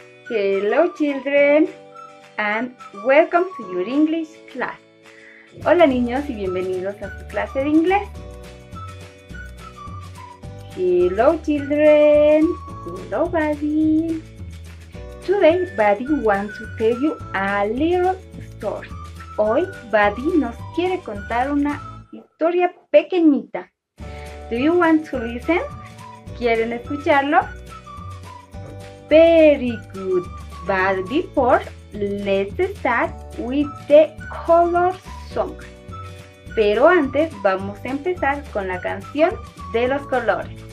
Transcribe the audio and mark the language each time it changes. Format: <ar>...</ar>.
<en>Hello children and welcome to your English class.</en> <es>Hola niños y bienvenidos a su clase de inglés.</es> <en>Hello children, hello Buddy. Today Buddy wants to tell you a little story.</en> <es>Hoy Buddy nos quiere contar una historia pequeñita.</es> <en>Do you want to listen?</en> <es>¿Quieren escucharlo?</es> <en>Very good. But before, let's start with the color song.</en> <es>Pero antes, vamos a empezar con la canción de los colores.</es>